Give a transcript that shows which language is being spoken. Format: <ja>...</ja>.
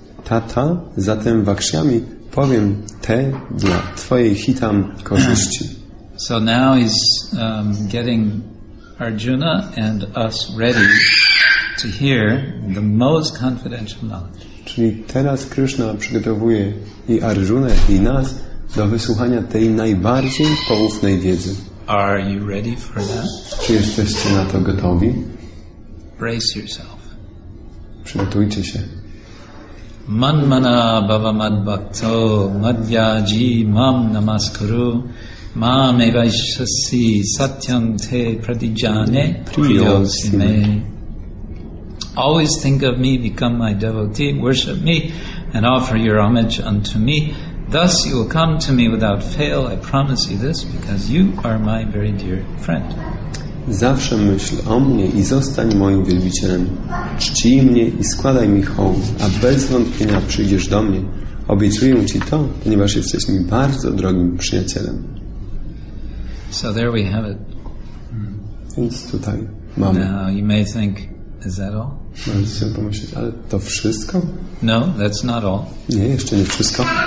<pl>Tata, zatem wakshyami, powiem te dla twojej hitam korzyści.</pl> <en>So now he's getting Arjuna and us ready to hear the most confidential knowledge.</en> <pl>Czyli teraz Krishna przygotowuje i Arjunę i nas do wysłuchania tej najbardziej poufnej wiedzy.</pl> <en>Are you ready for that?</en> <pl>Czy jesteście na to gotowi?</pl> <en>Brace yourself.</en> <pl>Przygotujcie się.</pl> <sa>Manmana bhava mad bhakto madhya ji mam namaskuru mam evaishasi satyam te pratijane priyosime.</sa> <en>Always think of me, become my devotee, worship me, and offer your homage unto me. Thus you will come to me without fail. I promise you this because you are my very dear friend.</en> <pl>Zawsze myśl o mnie i zostań moim wielbicielem. Czcij mnie i składaj mi hołd, a bez wątpienia przyjdziesz do mnie. Obiecuję ci to, ponieważ jesteś mi bardzo drogim przyjacielem.</pl> <en>So there we have it.</en> <pl>Więc tutaj mamy.</pl> <en>Now you may think, is that all?</en> <pl>Możesz sobie pomyśleć, ale to wszystko?</pl> <en>No, that's not all.</en> <pl>Nie, jeszcze nie wszystko.</pl>